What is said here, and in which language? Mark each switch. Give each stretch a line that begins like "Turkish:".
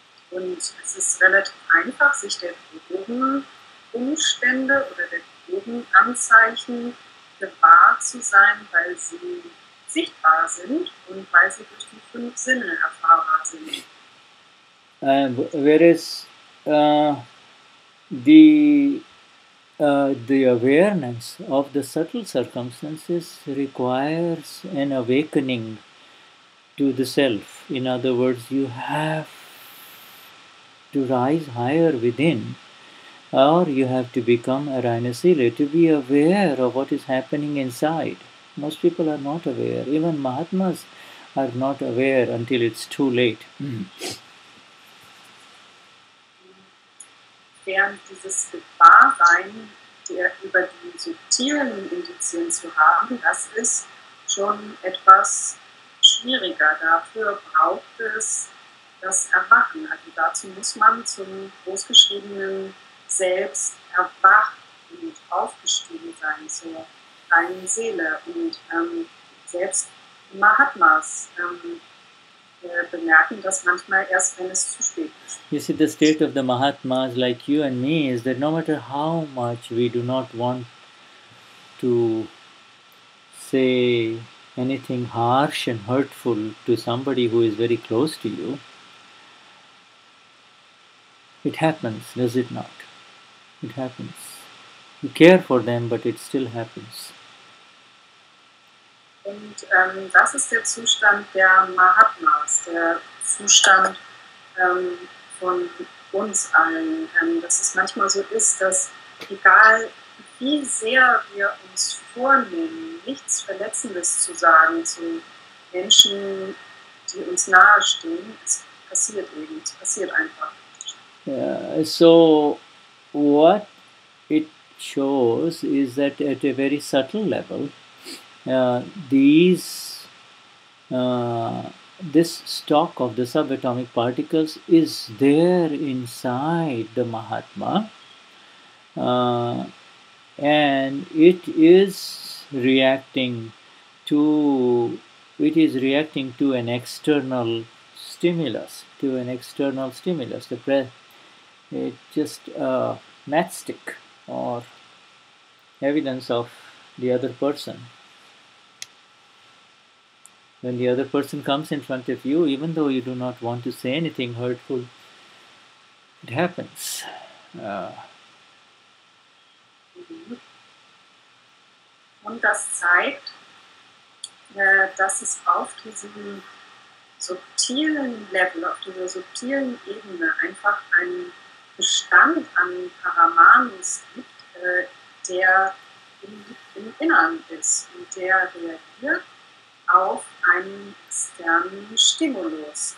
German: Und es ist relativ einfach, sich der groben Umstände oder der groben Anzeichen gewahr zu sein, weil sie sichtbar sind und weil sie durch die fünf Sinne erfahrbar sind.
English: Whereas the awareness of the subtle circumstances requires an awakening to the self. In other words, you have to rise higher within, or you have to become a rhinocele to be aware of what is happening inside. Most people are not aware. Even Mahatmas are not aware until it's too late.
German: Während dieses Gewahrsein über die subtilen Indizien zu haben, das ist schon etwas schwieriger. Dafür braucht es das Erwachen. Also dazu muss man zum großgeschriebenen Selbst erwachen und aufgestiegen sein. So. Reine Seele. Und selbst Mahatmas bemerken das manchmal erst, wenn es zu spät ist.
English: You see, the state of the Mahatmas, like you and me, is that no matter how much we do not want to say anything harsh and hurtful to somebody who is very close to you, it happens, does it not? It happens. You care for them, but it still happens.
German: Und das ist der Zustand der Mahatmas, der Zustand von uns allen. Dass es manchmal so ist, dass egal wie sehr wir uns vornehmen, nichts Verletzendes zu sagen zu Menschen, die uns nahestehen, es passiert eben, es passiert einfach. Yeah.
English: So, what it shows is that at a very subtle level, this stock of the subatomic particles is there inside the Mahatma, and it is reacting to an external stimulus, it's just a matchstick or evidence of the other person. When the other person comes in front of you, even though you do not want to say anything hurtful, it happens.
German: Und das zeigt, dass es auf diesem subtilen Level, auf dieser subtilen Ebene einfach einen Bestand an Paramanus gibt, der im Inneren ist und der reagiert auf einen externen Stimulus.